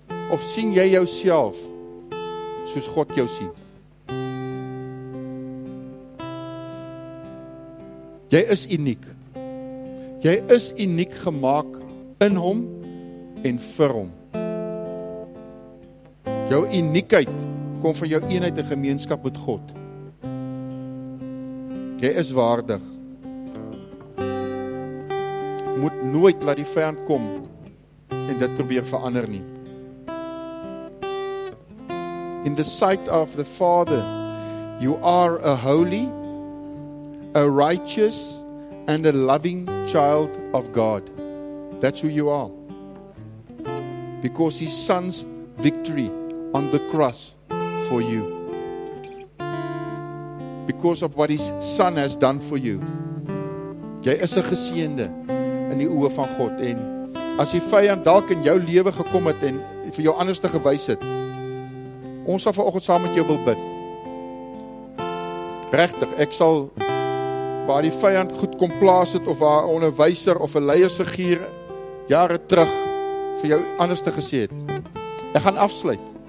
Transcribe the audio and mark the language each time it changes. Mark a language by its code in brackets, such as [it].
[af] Of sien jy jouself soos God jou sien? Jy is uniek. Jy is uniek gemaak in hom en vir hom. Jou uniekheid kom van jou eenheid en gemeenskap met God. Jy is waardig. Moet nooit laat die vyand kom en dit probeer verander nie. [en] In the sight of the Father, you are a holy, a righteous and a loving child of God. That's who you are. Because his son's victory on the cross for you. Because of what his son has done for you. [af] Jy is 'n geseënde in die oë van God. En as die vyand dalk in jou lewe gekom het en vir jou anders te gewys het, ons sal vanoggend saam met jou wil bid. Regtig, ek sal waar die vyand goed kom plaas het of waar 'n onderwyser of 'n leiersfiguur jare terug vir jou anders te gesê het. Ek gaan afsluit.